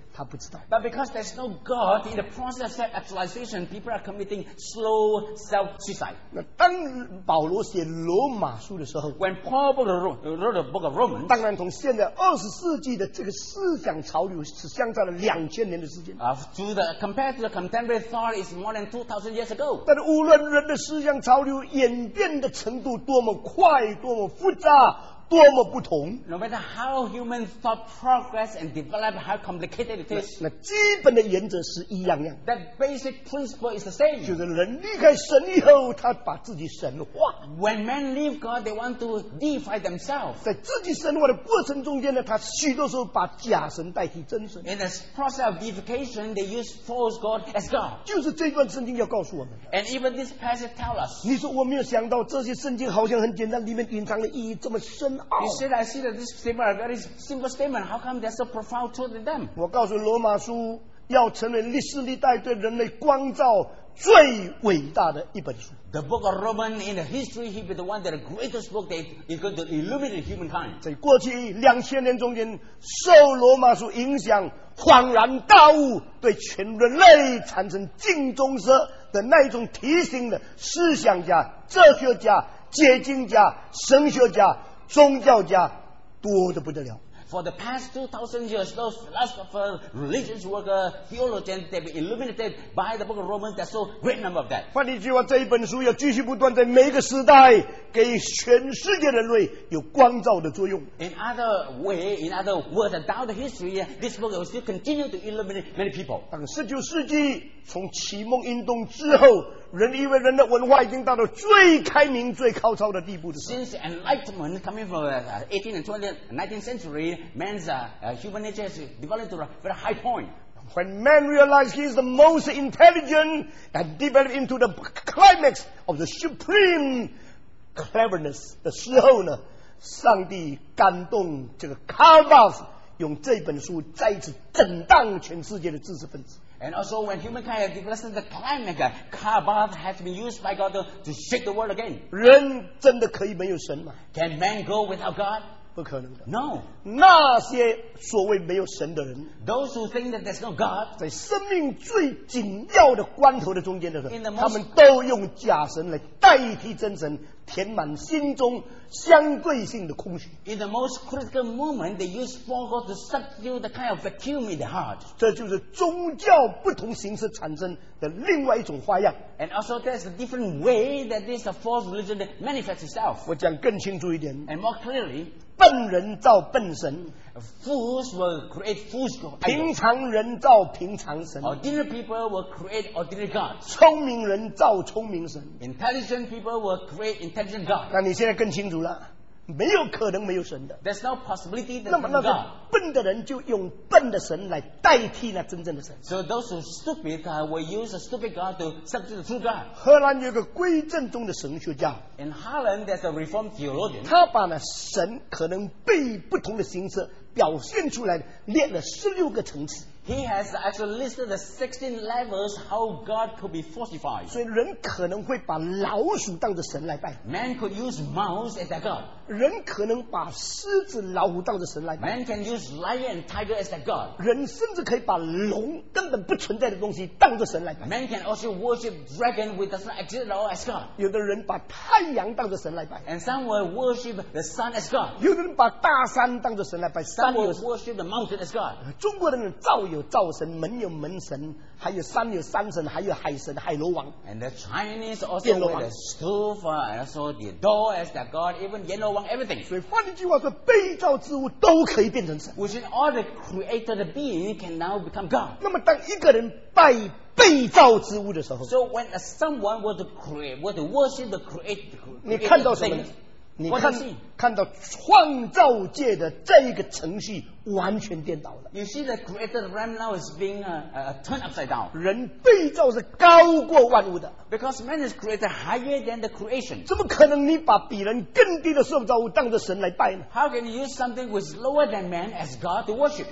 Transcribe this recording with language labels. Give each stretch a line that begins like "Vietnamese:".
Chinese: 他不知道。
English: But because there's no God in the process of self-actualization, people are committing slow self-suicide.
Chinese: 那当保罗写罗马书的时候
English: ，When Paul wrote the book of Romans，
Chinese: 当然同现在20世纪的这个思想潮流是相差了2000年的时间。
English: Compared to the contemporary thought is more than 2000 years ago.
Chinese: 但是无论人的思想潮流演变的程度多么快、多么复杂，多么不同。
English: No matter how human thought progress and develop, how complicated it is.
Chinese: 那基本的原则是一样样。
English: That basic principle is the same.
Chinese: 就是人离开神以后，他把自己神化。
English: When men leave God, they want to deify themselves.
Chinese: 在自己神化的过程中间呢，他许多时候把假神代替真神。
English: In the process of deification, they use false God as God.
Chinese: 就是这段圣经要告诉我们。
English: And even this passage tells us.
Chinese: 你说我没有想到这些圣经好像很简单，里面隐藏的意义这么深。
English: You said, I see that this statement is a very simple statement. How come there's a profound truth in them?
Chinese: 我告诉罗马书要成为历史历代对人类光照最伟大的一本书。
English: The book of Romans in the history, he be the one that the greatest book that is going to illuminate humankind.
Chinese: 在过去两千年中间，受罗马书影响，恍然大悟，对全人类产生镜中蛇的那一种提醒的思想家、哲学家、解经家、神学家。宗教家多得不得了。
English: For the past 2,000 years, those philosophers, religious workers, theologians, they've been illuminated by the book of Romans. There's so great number of that.
Chinese: 换一句话，这一本书要继续不断在每一个时代给全世界人类有光照的作用。
English: In other way, in other words, down the history, this book will still continue to illuminate many people.
Chinese: 当19世纪从启蒙运动之后，人以为人的文化已经到了最开明、最高超的地步的时候。
English: Since Enlightenment coming from 18th and 19th century, man's human nature has developed to a very high point. When man realized he is the most intelligent and developed into the climax of the supreme cleverness
Chinese: 的时候呢，上帝感动这个 Karl Marx 用这本书再次震荡全世界的知识分子。
English: And also when humankind has developed the climate, Karl Barth has been used by God to shake the world again.
Chinese: 人真的可以没有神吗？
English: Can man go without God?
Chinese: 不可能的。
English: No.
Chinese: 那些所谓没有神的人，
English: Those who think that there's no God,
Chinese: 在生命最紧要的关头的中间的人，他们都用假神来代替真神，填满心中相对性的空虚。
English: In the most critical moment, they use false gods to substitute the kind of vacuum in the heart.
Chinese: 这就是宗教不同形式产生的另外一种花样。
English: And also, there's a different way that this false religion manifests itself.
Chinese: 我讲更清楚一点。
English: And more clearly,
Chinese: 笨人造笨神。
English: Fools will create fools gods.
Chinese: 平常人造平常神。
English: Ordinary people will create ordinary gods.
Chinese: 聪明人造聪明神。
English: Intelligent people will create intelligent gods.
Chinese: 那你现在更清楚了。没有可能没有神的。
English: There's no possibility that
Chinese: 那么那个笨的人就用笨的神来代替那真正的神。
English: So those who are stupid will use a stupid God to substitute the true God.
Chinese: 荷兰有个归正宗的神学家。
English: In Holland there's a reformed theologian.
Chinese: 他把那神可能被不同的形式表现出来列了16个层次。
English: He has actually listed the 16 levels how God could be fortified.
Chinese: 所以人可能会把老鼠当着神来拜。
English: Man could use mouse as a god.
Chinese: 人可能把狮子、老虎当着神来拜。
English: Man can use lion, tiger as a god.
Chinese: 人甚至可以把龙根本不存在的东西当着神来拜。
English: Man can also worship dragon with doesn't exist at all as god.
Chinese: 有的人把太阳当着神来拜。
English: And some will worship the sun as god.
Chinese: 有的人把大山当着神来拜。
English: Some will worship the mountain as god.
Chinese: 中国人造有灶神，门有门神，还有山有山神，还有海神海螺王。
English: And the Chinese also have the stove and also the door as their god, even yellow one, everything.
Chinese: 所以换句话说，被造之物都可以变成神。
English: Which is all the created being can now become God.
Chinese: 那么当一个人拜被造之物的时候
English: ，So when someone were to create, were to worship the created,
Chinese: 你看到什么？你 看到创造界的这一个程序完全颠倒了。
English: You see the created realm now is being turned upside down.
Chinese: 人被造是高过万物的。
English: Because man is created higher than the creation.
Chinese: 怎么可能你把比人更低的受造物当着神来拜呢？
English: How can you use something which is lower than man as God to worship?